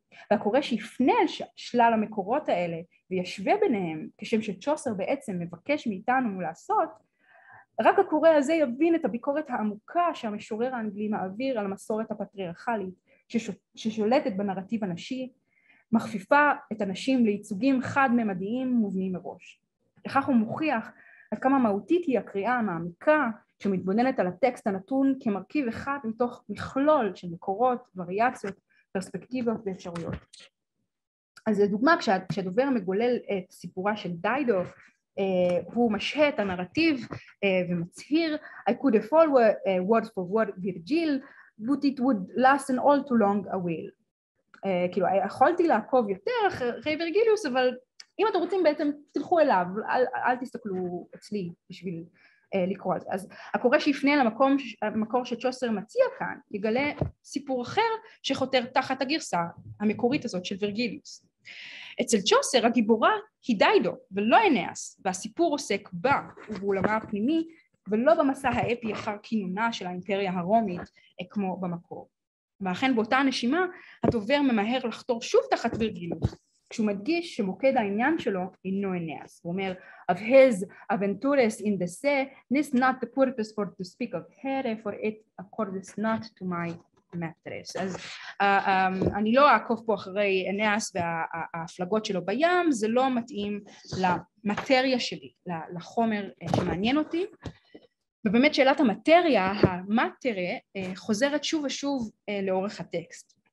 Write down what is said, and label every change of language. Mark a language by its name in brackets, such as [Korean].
[Hebrew] והקורא שיפנה על שלל המקורות האלה וישווה ביניהם, כשם שצ'וסר בעצם מבקש מאיתנו לעשות, רק הקורא הזה יבין את הביקורת העמוקה שהמשורר האנגלי מעביר על המסורת הפטריארכלית ששולטת בנרטיב הנשי, מחפיפה את הנשים לייצוגים חד-ממדיים מובנים מראש. לכך הוא מוכיח עד כמה מהותית היא הקריאה המעמיקה שמתבוננת על הטקסט הנתון כמרכיב אחד מתוך מכלול של מקורות, וריאציות, פרספקטיבות ואפשרויות. אז לדוגמה, כשהדובר מגולל את סיפורה של דיידוף, הוא משהה את הנרטיב ומצהיר [English] I could have followed word for word Virgil, but it would last an all too long a while. [Hebrew] כאילו, יכולתי לעקוב יותר אחרי וירגיליוס, אבל אם אתם רוצים בעצם תלכו אליו, אל תסתכלו אצלי בשביל לקרוא על זה. אז הקורא שיפנה למקום, המקור שצ'וסר מציע כאן, יגלה סיפור אחר שחותר תחת הגרסה המקורית הזאת של וירגיליוס. אצל צ'וסר הגיבורה היא דיידו ולא אנאס, והסיפור עוסק בה ובעולמה הפנימי, ולא במסע האפי אחר כינונה של האימפריה הרומית כמו במקור. ואכן באותה הנשימה, הדובר ממהר לחתור שוב תחת וירגיליוס, כשהוא מדגיש שמוקד העניין שלו אינו אנאס. הוא אומר, [English] of his aventures in the sea, this not the purpose for to speak of her, for it accords not to my matters. [Hebrew] אז אני לא אעקוב פה אחרי אנאס וההפלגות שלו בים, זה לא מתאים למטריה שלי, לחומר שמעניין אותי. ובאמת שאלת המטריה, המטרה, חוזרת שוב ושוב לאורך הטקסט.